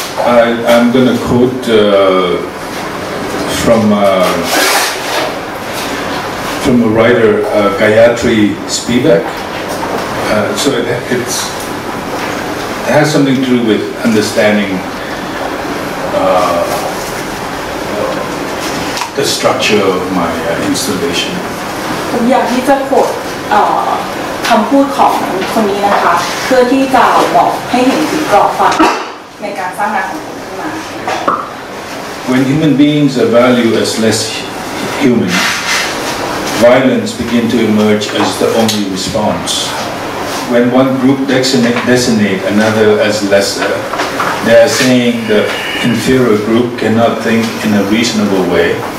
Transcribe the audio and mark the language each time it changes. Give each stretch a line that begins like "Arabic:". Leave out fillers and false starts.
English: I'm going to quote from a writer, Gayatri Spivak. So it has something to do with understanding the structure of my installation.
Thai: ผมอยากที่จะ quote คำพูดของคนนี้นะคะเพื่อที่จะบอกให้เห็นถึงกรอบฟังในการสร้างงานของ
English: When human beings are valued as less human, violence begins to emerge as the only response. When one group designates another as lesser, they are saying the inferior group cannot think in a reasonable way.